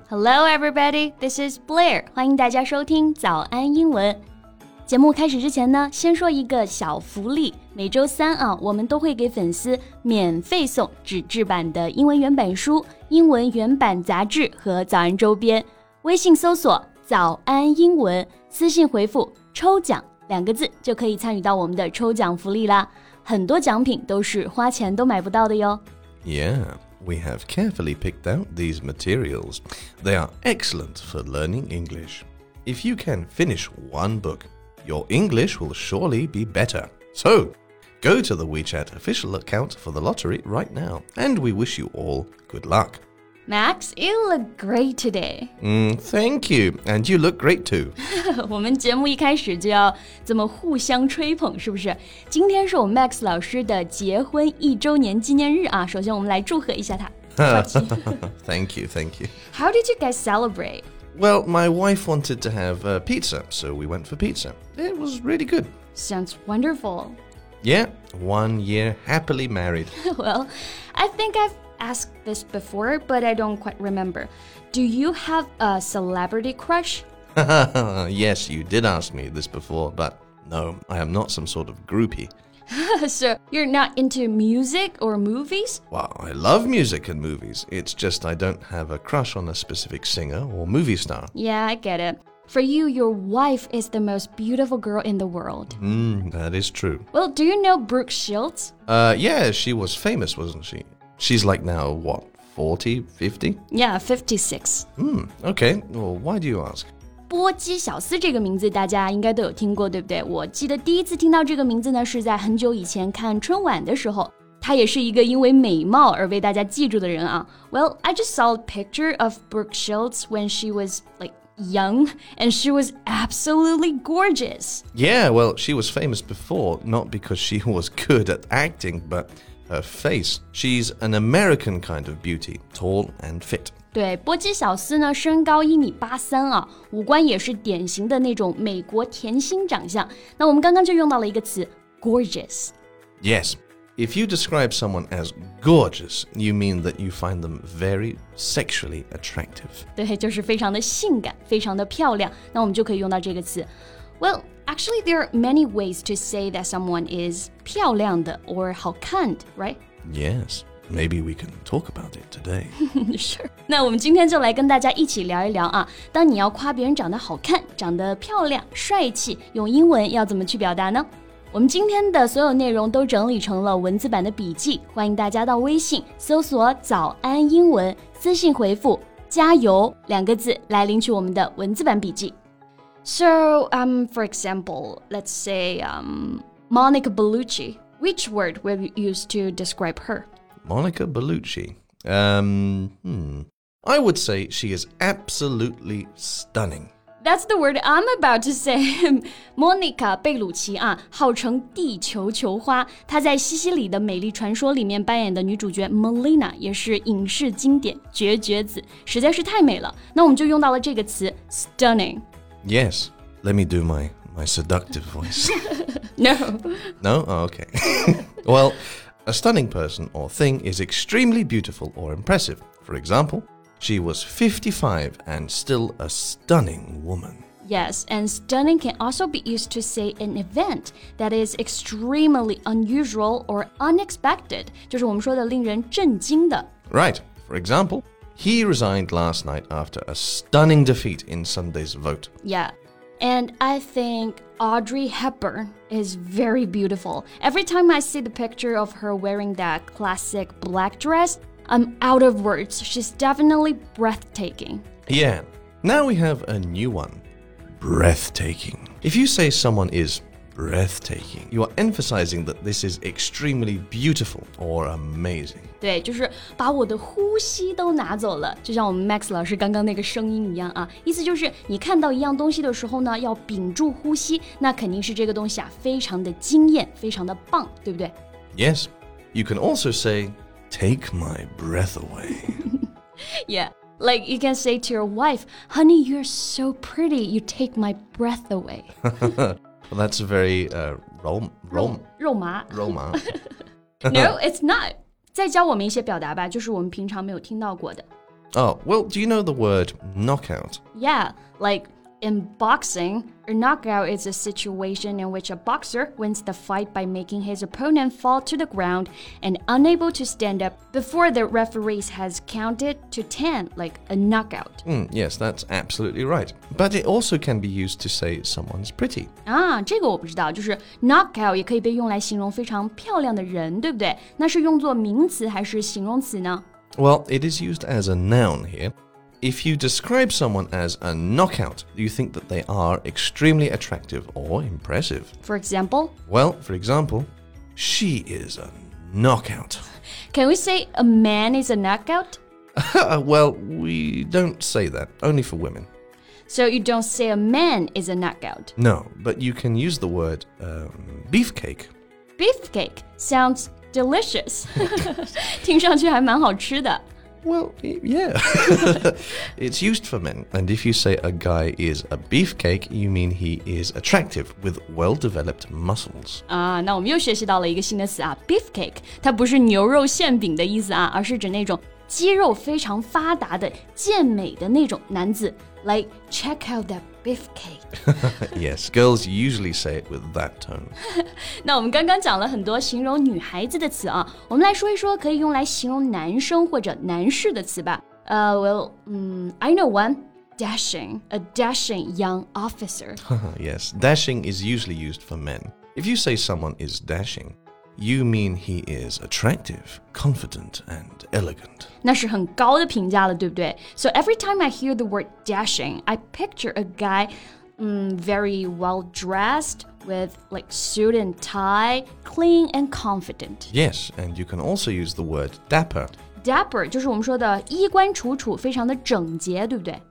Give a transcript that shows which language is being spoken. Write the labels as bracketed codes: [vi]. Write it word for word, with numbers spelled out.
[en] Hello everybody, this is Blair. [zh] 欢迎大家收听早安英文。节目开始之前呢，先说一个小福利。每周三啊，我们都会给粉丝免费送纸质版的英文原版书、英文原版杂志和早安周边。微信搜索早安英文，私信回复抽奖两个字就可以参与到我们的抽奖福利啦。很多奖品都是花钱都买不到的哟。 [en] Yeah, we have carefully picked out these materials. They are excellent for learning English. If you can finish one book, your English will surely be better. So, go to the WeChat official account for the lottery right now, and we wish you all good luck. Max, you look great today. Mm, thank you, and you look great too. [zh] 我们节目一开始就要这么互相吹捧，是不是？今天是我们 Max 老师的结婚一周年纪念日啊，首先我们来祝贺一下他。 [en] Thank you, thank you. How did you guys celebrate? Well, my wife wanted to have uh, pizza, so we went for pizza. It was really good. Sounds wonderful. Yeah, one year happily married. Well, I think I've asked this before, but I don't quite remember. Do you have a celebrity crush? Yes, you did ask me this before, but no, I am not some sort of groupie. So, you're not into music or movies? Well, I love music and movies. It's just I don't have a crush on a specific singer or movie star. Yeah, I get it. For you, your wife is the most beautiful girl in the world. Mm, that is true. Well, do you know Brooke Shields? Uh, yeah, she was famous, wasn't she? She's like now, what, forty, fifty? Yeah, fifty-six. Mm, okay, well, why do you ask? [zh] 波姬小斯这个名字大家应该都有听过，对不对？我记得第一次听到这个名字呢，是在很久以前看春晚的时候。她也是一个因为美貌而被大家记住的人啊。 [en] Well, I just saw a picture of Brooke Shields when she was like young, and she was absolutely gorgeous. Yeah, well, she was famous before, not because she was good at acting, but her face. She's an American kind of beauty, tall and fit. [zh] 对，波姬小斯呢，身高一米八三啊，五官也是典型的那种美国甜心长相。那我们刚刚就用到了一个词 gorgeous。 [en] Yes, if you describe someone as gorgeous, you mean that you find them very sexually attractive. [zh] 对，就是非常的性感，非常的漂亮。那我们就可以用到这个词。 [en] Well, actually, there are many ways to say that someone is [zh] 漂亮的 [en] or [zh] 好看的 [en] right? Yes. Maybe we can talk about it today. Sure. [zh] 那我们今天就来跟大家一起聊一聊啊。当你要夸别人长得好看、长得漂亮、帅气，用英文要怎么去表达呢？我们今天的所有内容都整理成了文字版的笔记，欢迎大家到微信搜索“早安英文”，私信回复“加油”两个字来领取我们的文字版笔记。 [en] So, um, for example, let's say, um, Monica Bellucci. Which word will you use to describe her? Monica Bellucci. Um, hmm. I would say she is absolutely stunning. That's the word I'm about to say. [zh] Monica 贝鲁奇啊，号称地球球花。她在《西西里的美丽传说》里面扮演的女主角 Melina 也是影视经典绝绝子，实在是太美了。那我们就用到了这个词 stunning. [en] Yes, let me do my my seductive voice. No. No? Oh, okay. Well. A stunning person or thing is extremely beautiful or impressive. For example, she was fifty-five and still a stunning woman. Yes, and stunning can also be used to say an event that is extremely unusual or unexpected. [zh] 就是我们说的令人震惊的。 [en] Right. For example, he resigned last night after a stunning defeat in Sunday's vote. Yeah. And I think Audrey Hepburn is very beautiful. Every time I see the picture of her wearing that classic black dress, I'm out of words. She's definitely breathtaking. Yeah. Now we have a new one. Breathtaking. If you say someone is breathtaking, you are emphasizing that this is extremely beautiful or amazing. [zh] 对，就是把我的呼吸都拿走了，就像我们 Max 老师刚刚那个声音一样啊。意思就是你看到一样东西的时候呢，要屏住呼吸，那肯定是这个东西啊，非常的惊艳，非常的棒，对不对？ [en] Yes, you can also say, take my breath away. Yeah, like you can say to your wife, honey, you're so pretty, you take my breath away. Well, that's very uh, rom, rom, [zh] 肉麻肉麻. [en] No, it's not. [zh] 再教我们一些表达吧，就是我们平常没有听到过的。 [en] Oh, well, do you know the word knockout? Yeah, like in boxing, a knockout is a situation in which a boxer wins the fight by making his opponent fall to the ground and unable to stand up before the referee has counted to ten, like a knockout. Mm, yes, that's absolutely right. But it also can be used to say someone's pretty. [zh] 啊，这个我不知道，就是 knockout 也可以被用来形容非常漂亮的人，对不对？那是用作名词还是形容词呢？ [en] Well, it is used as a noun here. If you describe someone as a knockout, you think that they are extremely attractive or impressive. For example? Well, for example, she is a knockout. Can we say a man is a knockout? Well, we don't say that, only for women. So you don't say a man is a knockout? No, but you can use the word um, beefcake. Beefcake sounds... Delicious. [zh] 听上去还蛮好吃的。 [en] Well, yeah. It's used for men. And if you say a guy is a beefcake, you mean he is attractive with well-developed muscles. [zh] 啊，那我们又学习到了一个新的词啊 ，beefcake。它不是牛肉馅饼的意思啊，而是指那种肌肉非常发达的健美的那种男子。 [en] Like, check out that beefcake. Yes, girls usually say it with that tone. [zh] 那我们刚刚讲了很多形容女孩子的词啊，我们来说一说可以用来形容男生或者男士的词吧。 [en] Uh, well, um, I know one. Dashing. A dashing young officer. Yes, dashing is usually used for men. If you say someone is dashing, you mean he is attractive, confident, and elegant. [zh] 那是很高的评价了，对不对？ [en] So every time I hear the word dashing, I picture a guy um, very well dressed with like suit and tie, clean and confident. Yes, and you can also use the word dapper. [zh] Dapper 就是我们说的衣冠楚楚，非常的整洁，对不对？